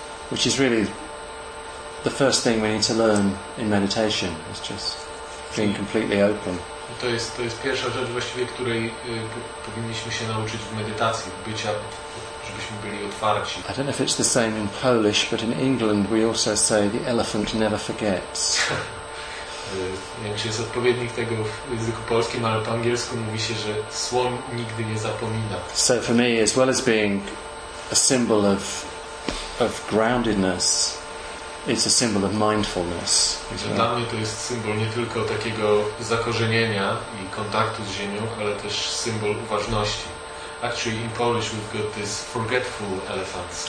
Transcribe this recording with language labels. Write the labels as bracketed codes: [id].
[en] Which is really the first thing we need to learn in meditation, is just being completely open. [pl] To jest pierwsza rzecz właściwie, której powinniśmy się nauczyć w medytacji, bycia, żebyśmy byli otwarci. [en] I don't know if it's the same in Polish, but in England we also say the elephant never forgets. [pl] Nie wiem, czy jest odpowiednik tego w języku polskim, ale po angielsku mówi się, że słoń nigdy nie zapomina. [en] So for me, as well as being a symbol of groundedness, it's a symbol of mindfulness. [pl] Dla mnie to jest symbol nie tylko takiego zakorzenienia i kontaktu z ziemią, ale też symbol uważności. [en] Actually, in Polish we've got this forgetful elephant.